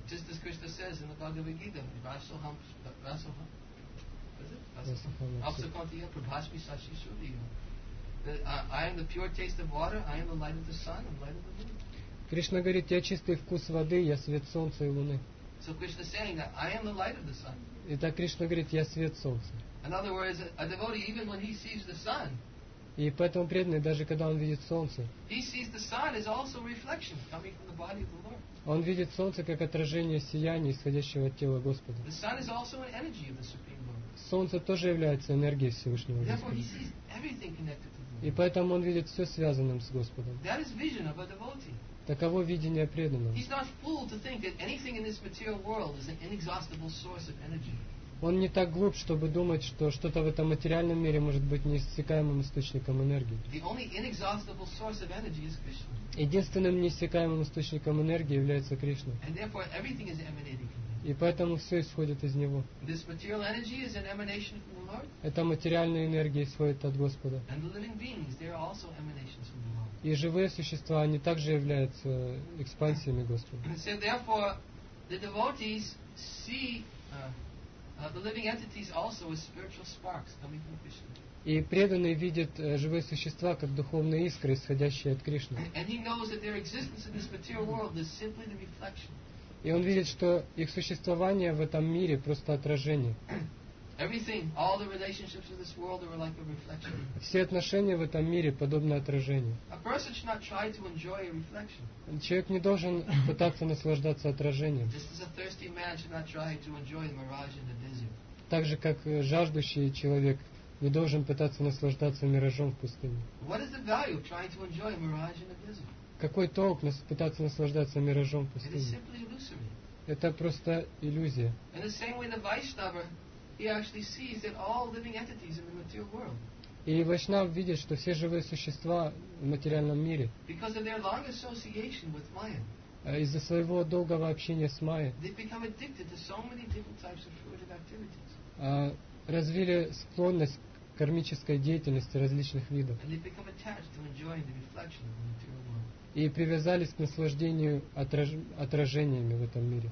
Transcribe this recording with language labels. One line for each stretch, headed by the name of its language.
English: Just as Krishna says in the Bhagavad Gita, Vasoham, Vasoham, I am the pure taste of water, I am the light of the sun, I am the light of the moon.
Russian: Кришна говорит, я чистый вкус воды, я свет солнца и луны.
English: So Krishna saying that I am the light of the sun.
Russian: Итак, Кришна говорит, я свет солнца.
English: In other words, a devotee, even when he sees the sun,
Russian: и поэтому преданный, даже когда он видит солнце,
English: he sees the sun is also reflection coming from the body of the Lord.
Russian: Он видит солнце как отражение сияния, исходящего от тела Господа.
English: The sun is also an energy of the Supreme Lord.
Russian: Солнце тоже является энергией Всевышнего Господа.
English: Therefore, he sees everything connected to the Lord.
Russian: И поэтому он видит все связанным с Господом.
English: That is vision of a devotee.
Russian: Таково видение преданного.
English: He's not fooled to think that anything in this material world is an inexhaustible source of energy.
Russian: Он не так глуп, чтобы думать, что что-то в этом материальном мире может быть неиссякаемым источником энергии.
English: The only inexhaustible source of energy is Krishna.
Russian: Единственным неиссякаемым источником энергии является Кришна.
English: And therefore everything is emanating from him.
Russian: И поэтому все исходит из него.
English: This material energy is an emanation from the Lord.
Russian: Эта материальная энергия исходит от Господа.
English: And the living beings, they are also emanations from the Lord.
Russian: И живые существа, они также являются экспансиями Господа.
English: So therefore, the devotees see the living entities also as spiritual sparks coming from Krishna.
Russian: И преданные видят живые существа как духовные искры, исходящие от Кришны.
English: And he knows that their existence in this material world is simply the reflection.
Russian: И он видит, что их существование в этом мире просто отражение.
English: Everything, all the relationships in this world are like a reflection.
Russian: Все отношения в этом мире подобны отражению.
English: A person should not try to enjoy a reflection.
Russian: Человек не должен пытаться наслаждаться отражением.
English: Just as a thirsty man should not try to enjoy the mirage in the desert.
Russian: Так же, как жаждущий человек не должен пытаться наслаждаться миражом в пустыне.
English: What is the value of trying to enjoy a mirage in the desert?
Russian: Какой толк пытаться наслаждаться миражом в пустыне?
English: It is simply illusory.
Russian: Это просто иллюзия.
English: In the same way, the Vaishnava, he actually sees that all living entities in the material world.
Russian: И Вайшнав видит, что все живые существа в материальном мире,
English: because of their long association with Maya,
Russian: из-за своего долгого общения с Майей,
English: they become addicted to so many different types of fruitive activities.
Russian: Развили склонность к кармической деятельности различных видов.
English: And they become attached to enjoying the reflection of the material world.
Russian: И привязались к наслаждению отражениями в этом мире.